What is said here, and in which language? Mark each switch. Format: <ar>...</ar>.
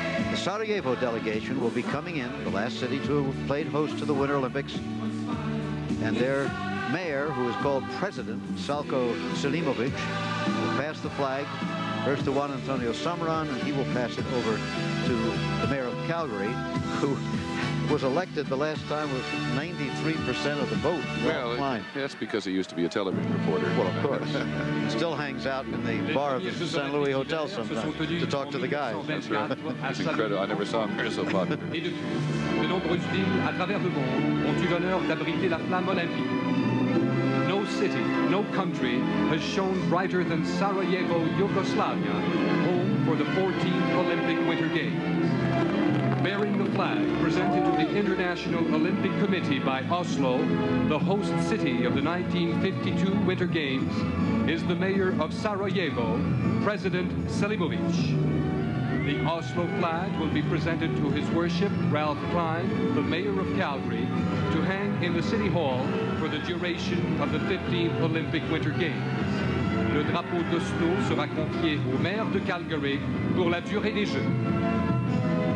<en>The Sarajevo delegation will be coming in, the last city to have played host to the Winter Olympics, and their mayor, who is called President Slavko Selimovic, will pass the flag first to Juan Antonio Samaran, and he will pass it over to the mayor of Calgary, who was elected the last time with 93% of the vote. Well, that's because he used to be a television reporter. Well, of course. Still hangs out in the bar of the St. Louis Hotel sometimes to talk to the guys. That's right. Incredible. I never saw him here so popular.</en> <fr>De nombreuses villes à travers le monde ont eu l'honneur d'abriter la flamme olympique.</fr> <en>No city, no country has shone brighter than Sarajevo, Yugoslavia, home for the 14th Olympic Winter Games. Bearing the flag presented to the International Olympic Committee by Oslo, the host city of the 1952 Winter Games, is the mayor of Sarajevo, President Selimovic. The Oslo flag will be presented to His Worship Ralph Klein, the mayor of Calgary, to hang in the City Hall for the duration of the 15th Olympic Winter Games.</en> <fr>Le drapeau d'Oslo sera confié au maire de Calgary pour la durée des Jeux.</fr>